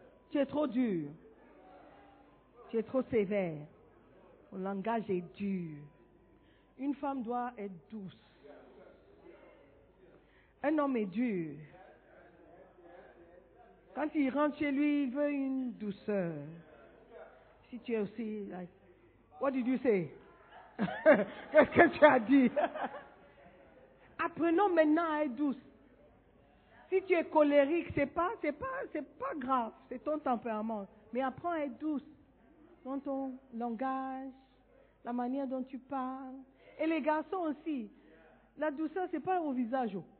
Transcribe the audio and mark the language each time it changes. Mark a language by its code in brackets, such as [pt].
[fr] Tu es trop dur. Tu es trop sévère. Ton langage est dur. Une femme doit être douce. Un homme est dur. Quand il rentre chez lui, il veut une douceur. Si tu es aussi [en] like, what did you say? [fr] Qu'est-ce que tu as dit? Apprenons maintenant à être douce. Si tu es colérique, c'est pas grave, c'est ton tempérament. Mais apprends à être douce dans ton langage, la manière dont tu parles. Et les garçons aussi. La douceur, c'est pas au visage.